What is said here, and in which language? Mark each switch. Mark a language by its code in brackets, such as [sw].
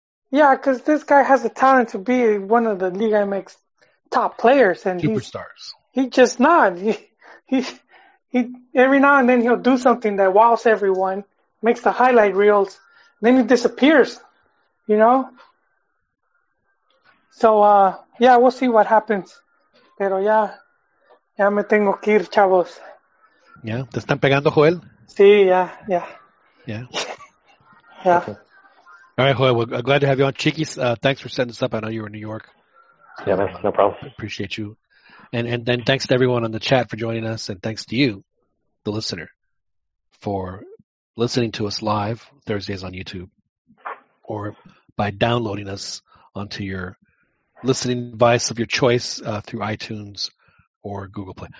[en] Yeah, because this guy has the talent to be one of the Liga MX top players and superstars. He's just not. He every now and then he'll do something that wows everyone, makes the highlight reels, then he disappears, you know. So yeah, we'll see what happens. [es] Pero ya, ya me tengo que ir, chavos. [en] Yeah, [es] ¿te están pegando, Joel? Sí, [en] yeah, yeah. Yeah. Yeah. Okay. All right, Joel, well, glad to have you on. Chiquis, thanks for setting this up. I know you were in New York. Yeah, man, no problem. Appreciate you. And then thanks to everyone on the chat for joining us, and thanks to you, the listener, for listening to us live Thursdays on YouTube, or by downloading us onto your listening device of your choice through iTunes or Google Play.